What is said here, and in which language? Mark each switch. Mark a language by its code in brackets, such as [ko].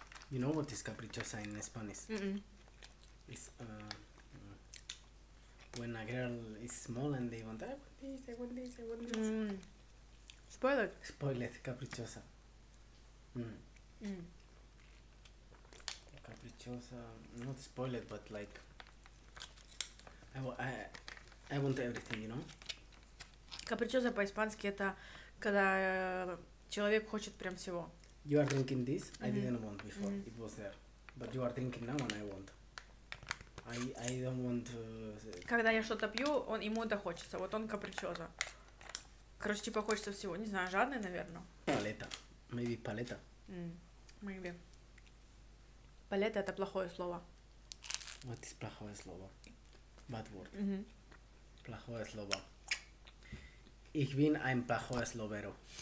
[en] You know what is caprichosa in Spanish? It's when a girl is small and they want this, I want this. Spoiled. [es] Caprichosa. [en] Caprichosa, not spoiled, but like I want everything, you know. [ru] Caprichosa по-испански это когда человек хочет прям всего. [en] You are drinking this? I didn't want before. It was there. But you are drinking now and I want. I don't want to... [ru] Когда я что-то пью, он ему это хочется. Вот он капричоза. Короче, типа хочется всего. Не знаю, жадный, наверное. Палета. [en] Maybe палета. Maybe. [ru] Палета — это плохое слово. [en] What is [ru] плохое слово? [en] Bad word. [ru] Плохое слово. [de] Ich bin ein [ru] плохое словеро.